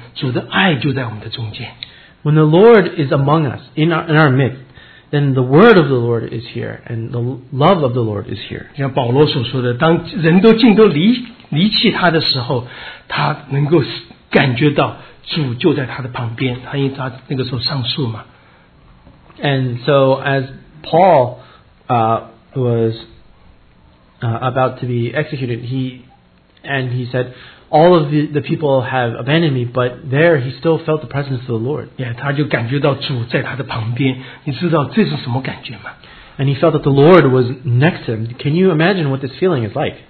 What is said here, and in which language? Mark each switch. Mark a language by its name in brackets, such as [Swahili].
[Chinese] 对，我们就像主在这儿所讲的那样，当我们都在，当主在我们的里面，主在我们中间的时候，主的话就在我们的中间，主的爱就在我们的中间。 [English] When the Lord is among us, in our midst, then the word of the Lord is here, and the love of the Lord is here. [Chinese] 像保罗所说的，当人都尽都离弃他的时候，他能够感觉到。主就在他的旁边，他因为他那个时候上诉嘛。 [English] And so as Paul was about to be executed, he said, "All of the people have abandoned me, but there he still felt the presence of the Lord." Yeah, [Chinese] 他就感觉到主在他的旁边，你知道这是什么感觉吗？ [English] And he felt that the Lord was next to him. Can you imagine what this feeling is like?